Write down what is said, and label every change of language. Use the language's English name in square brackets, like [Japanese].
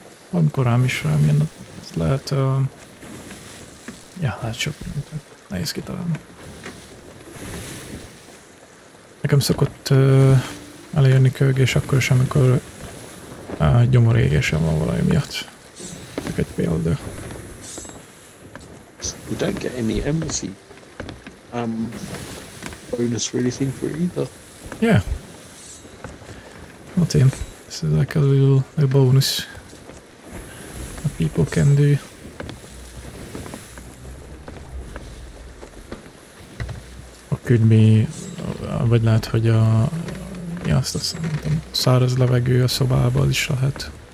[Hungarian] Amikor rám is rám jön, az lehet... lehet sok mindentől. Nehéz kitalálni. Nekem szokott elérni kövögés akkor is, amikor gyomor égésem van valami miatt. Csak egy példa. [English] You don't get any embassy bonus or anything for either. Yeah. Not in. This is like a little bonus that people can do. Or could be, [Hungarian] vagy lehet, hogy a, mi azt mondtam, száraz levegő a szobában is lehet.